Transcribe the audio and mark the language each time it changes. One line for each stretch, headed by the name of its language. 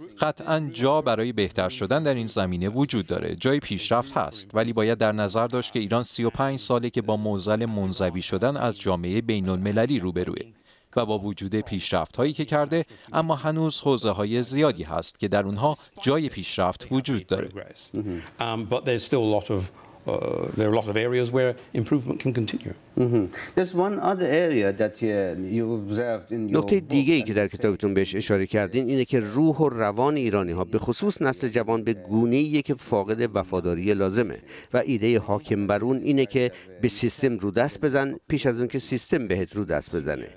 Persian: قطعاً جا برای بهتر شدن در این زمینه وجود داره. جای پیشرفت هست، ولی باید در نظر داشت که ایران 35 ساله که با موزل منزوی شدن از جامعه بین‌المللی روبروئه و با وجود پیشرفت‌هایی که کرده، اما هنوز حوزه‌های زیادی هست که در اونها جای پیشرفت وجود داره.
English: But there's still a lot of there are a lot of areas where improvement can continue. There's one other area that you observed in your
Persian: نکته دیگه‌ای که در کتابتون بهش اشاره کردین اینه که روح و روان ایرانی‌ها به خصوص نسل جوان به گونه‌ای که فاقد وفاداری لازمه و ایده حاکم بر اون اینه که به سیستم رو دست بزن پیش از اون که سیستم بهت رو دست بزنه.